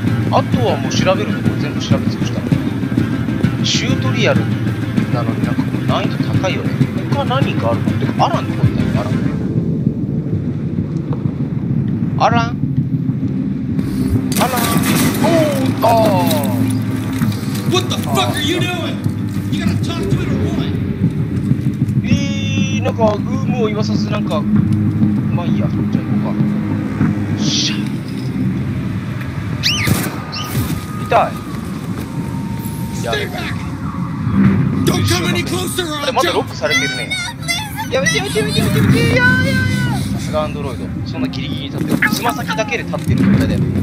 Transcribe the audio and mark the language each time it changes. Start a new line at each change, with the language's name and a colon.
Japanese: あとはもう調べるところ全部調べ尽くした。シュートリアルなのになんかこう難易度高いよね。他何かあるの？てかアランどこ行ったの？アラン、アラン、アラン、おお、ああ、
English: What the fuck are you doing? You gotta talk to it or what?
Japanese: なんかグームを言わさず、なんかまあいいや、じゃあ行こうか。しゃ、痛い、やめろ、まだロックされてるね。やめてやめてやめてやめて、いやいやいや、さすがアンドロイド、そんなギリギリ立ってる、つま先だけで立ってる状態で。